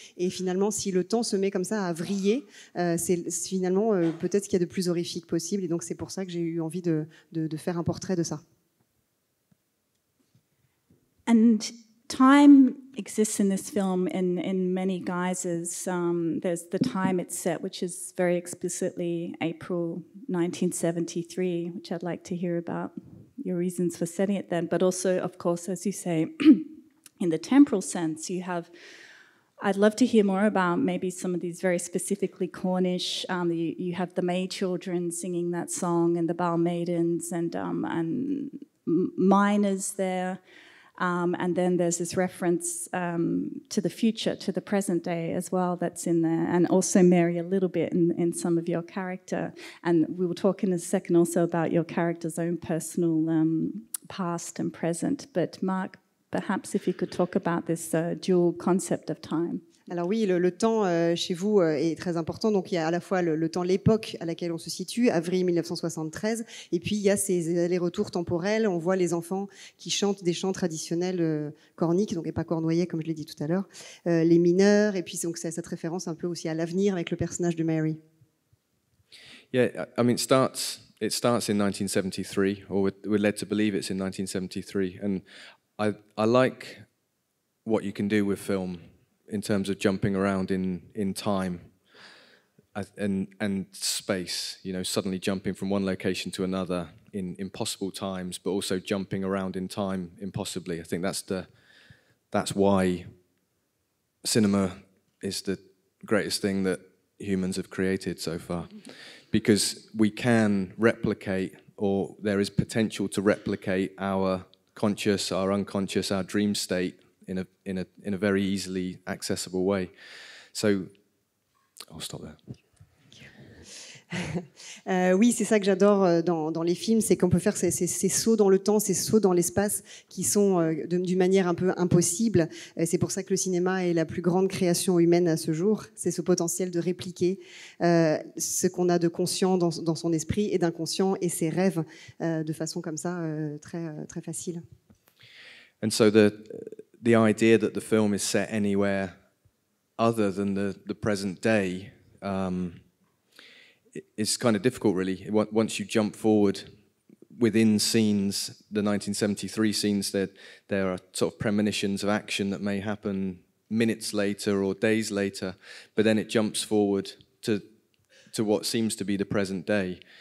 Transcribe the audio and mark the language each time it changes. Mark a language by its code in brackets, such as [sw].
[fr] Et finalement, si le temps se met comme ça à vriller, c'est finalement peut-être ce qu'il y a de plus horrifique possible. Et donc c'est pour ça que j'ai eu envie de faire un portrait de ça. [en] And time exists in this film in many guises. There's the time it's set, which is very explicitly April 1973, which I'd like to hear about your reasons for setting it then. But also, of course, as you say, in the temporal sense, you have... I'd love to hear more about maybe some of these very specifically Cornish. You have the May children singing that song and the Bal Maidens and miners there. And then there's this reference to the future, to the present day as well, that's in there, and also Mary a little bit in some of your character. And we will talk in a second also about your character's own personal past and present. But Mark, perhaps if you could talk about this dual concept of time. [fr] Alors oui, le temps chez vous est très important. Donc il y a à la fois le temps, l'époque à laquelle on se situe, avril 1973, et puis il y a ces allers-retours temporels. On voit les enfants qui chantent des chants traditionnels corniques, donc et pas cornoyais comme je l'ai dit tout à l'heure, les mineurs, et puis donc c'est cette référence un peu aussi à l'avenir avec le personnage de Mary. [en] Yeah, I mean it starts in 1973, or we're led to believe it's in 1973, and I like what you can do with film in terms of jumping around in time and space, you know, suddenly jumping from one location to another in impossible times, but also jumping around in time impossibly. I think that's why cinema is the greatest thing that humans have created so far, because we can replicate, or there is potential to replicate, our conscious, our unconscious, our dream state in a very easily accessible way. So I'll stop there. [fr] Oui, c'est ça que j'adore dans les films, c'est qu'on peut faire ces sauts dans le temps, ces sauts dans l'espace qui sont d'une manière un peu impossible. Et c'est pour ça que le cinéma est la plus grande création humaine à ce jour. C'est ce potentiel de répliquer ce qu'on a de conscient dans son esprit et d'inconscient et ses rêves de façon comme ça très très facile. [en] And so the idea that the film is set anywhere other than the present day. It's kind of difficult, really. Once you jump forward within scenes, the 1973 scenes, that there are sort of premonitions of action that may happen minutes later or days later, but then it jumps forward to what seems to be the present day.